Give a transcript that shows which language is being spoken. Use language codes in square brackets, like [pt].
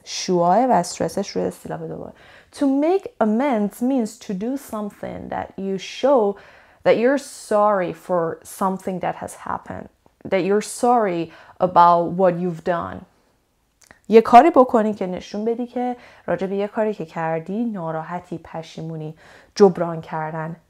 [fa] شوائه و استرسش روی سیلاب دوباره. [en] To make amends means to do something that you show that you're sorry for something that has happened. That you're sorry about what you've done. [fa] یه کاری بکنی که نشون بدی که راجع به یه کاری که کردی ناراحتی، پشیمونی، جبران کردن.